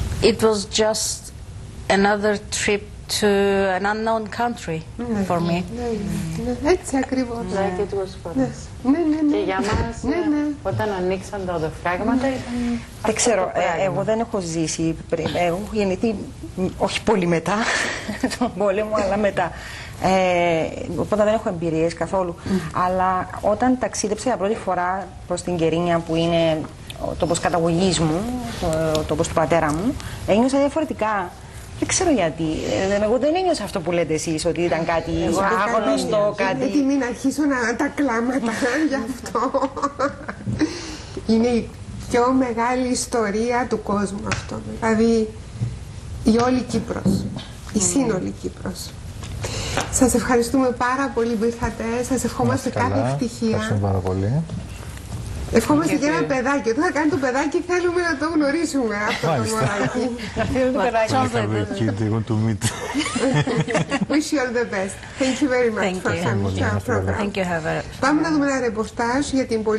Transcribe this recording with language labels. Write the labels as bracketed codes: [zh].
[en] It was just another trip to an unknown country for me. That's exactly what. Like it was for us. [el] Και για μας, όταν ανοίξαν τα οδοφράγματα ήταν... Δεν ξέρω, εγώ δεν έχω ζήσει πριν, έχω γεννηθεί όχι πολύ μετά τον πόλεμο, αλλά μετά. Οπότε δεν έχω εμπειρίες καθόλου. Αλλά όταν ταξίδεψα για πρώτη φορά προς την Κερίνια που είναι ο τόπος καταγωγής μου, ο τόπος του πατέρα μου, ένιωσα διαφορετικά. Δεν ξέρω γιατί. Εγώ δεν ένιωσα αυτό που λέτε εσείς, ότι ήταν κάτι άγνωστο, κάτι... Είναι έτοιμη να αρχίσω να τα κλάματα γι' αυτό. Είναι η πιο μεγάλη ιστορία του κόσμου αυτό. Δηλαδή, η όλη Κύπρος, η σύνολη Κύπρος. Σας ευχαριστούμε πάρα πολύ που ήρθατε. Σας ευχόμαστε κάθε ευτυχία. Ευχαριστούμε πάρα πολύ. Ευχόμαστε και ένα παιδάκι. Όταν θα κάνει το παιδάκι, θέλουμε να το γνωρίσουμε αυτό το μωράκι. Να φύγουμε το παιδάκι. Θα βγουν το μύτρο. [en] Wish you all the best. Thank you very much for coming to our program. Thank you. [el] Πάμε να δούμε ένα ρεπορτάζ για την πολύ...